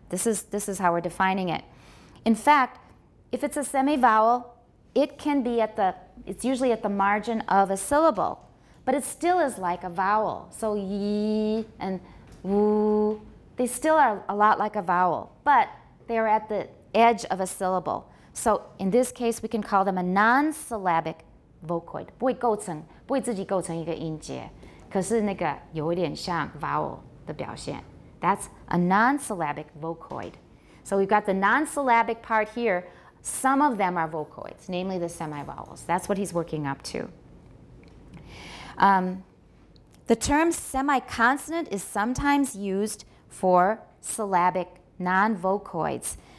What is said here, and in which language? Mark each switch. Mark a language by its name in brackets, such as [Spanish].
[English] This is how we're defining it. In fact, if it's a semi-vowel, it can be it's usually at the margin of a syllable, but it still is like a vowel. So yi and woo, they still are a lot like a vowel, but they are at the edge of a syllable. So in this case, we can call them a non-syllabic vocoid. [Chinese] 不会自己构成一个音节，可是那个有点像 vowel 的表现. [English] That's a non-syllabic vocoid. So we've got the non-syllabic part here. Some of them are vocoids, namely the semi-vowels. That's what he's working up to. The term semi-consonant is sometimes used for syllabic non-vocoids.